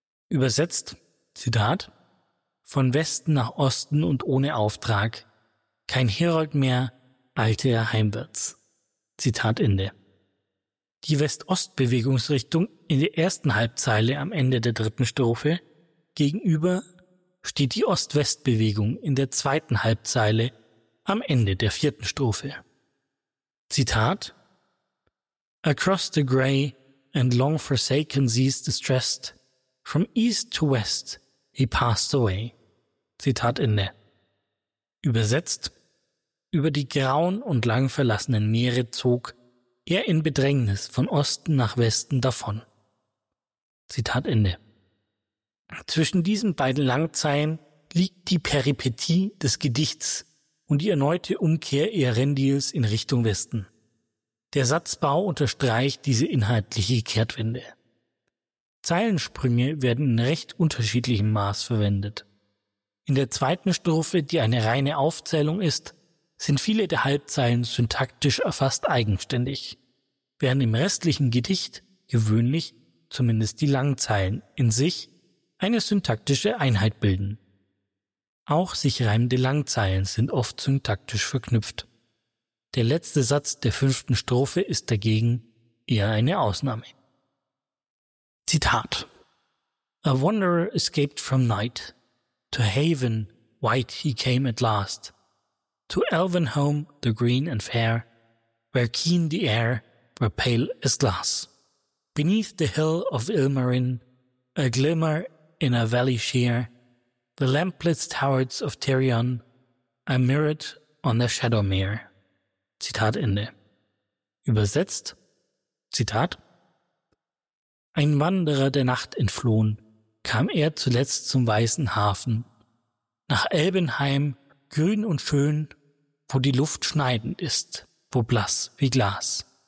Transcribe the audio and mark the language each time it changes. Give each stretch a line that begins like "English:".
German: Übersetzt: Zitat: Von Westen nach Osten und ohne Auftrag, kein Herold mehr, eilte er heimwärts. Zitat Ende. Die West-Ost-Bewegungsrichtung in der ersten Halbzeile am Ende der dritten Strophe gegenüber steht die Ost-West-Bewegung in der zweiten Halbzeile am Ende der vierten Strophe. Zitat:
English: Across the grey and long forsaken seas distressed, from east to west he passed away.
German: Zitat Ende. Übersetzt: Über die grauen und lang verlassenen Meere zog er in Bedrängnis von Osten nach Westen davon. Zitat Ende. Zwischen diesen beiden Langzeilen liegt die Peripetie des Gedichts und die erneute Umkehr Earendils in Richtung Westen. Der Satzbau unterstreicht diese inhaltliche Kehrtwende. Zeilensprünge werden in recht unterschiedlichem Maß verwendet. In der zweiten Strophe, die eine reine Aufzählung ist, sind viele der Halbzeilen syntaktisch erfasst eigenständig, während im restlichen Gedicht gewöhnlich zumindest die Langzeilen in sich eine syntaktische Einheit bilden. Auch sich reimende Langzeilen sind oft syntaktisch verknüpft. Der letzte Satz der fünften Strophe ist dagegen eher eine Ausnahme. Zitat:
English: A wanderer escaped from night, to haven white he came at last, to elven home the green and fair, where keen the air, where pale as glass. Beneath the hill of Ilmarin, a glimmer in a valley sheer, the lamplit towers of Tirion, I mirrored on the Shadowmere.
German: Zitat Ende. Übersetzt: Zitat: Ein Wanderer der Nacht entflohen, kam er zuletzt zum weißen Hafen, nach Elbenheim, grün und schön, wo die Luft schneidend ist, wo blass wie Glas.